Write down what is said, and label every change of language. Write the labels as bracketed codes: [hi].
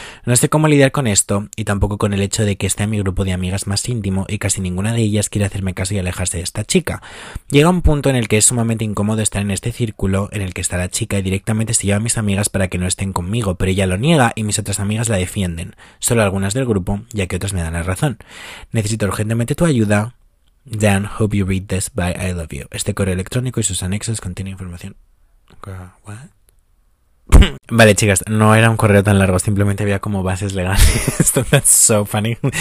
[es] No sé cómo lidiar con esto y tampoco con el hecho de que esté en mi grupo de amigas más íntimo y casi ninguna de ellas quiere hacerme caso y alejarse de esta chica. Llega un punto en el que es sumamente incómodo estar en este círculo en el que está la chica y directamente se lleva a mis amigas para que no estén conmigo, pero ella lo niega y mis otras amigas la defienden. Solo algunas del grupo, ya que otras me dan la razón. Necesito urgentemente tu ayuda. [en] Dan, hope you read this by I love you. [es] Este correo electrónico y sus anexos contiene información. [en] Girl, what? [es] Vale, chicas, no era un correo tan largo, simplemente había como bases legales. [en] That's so funny.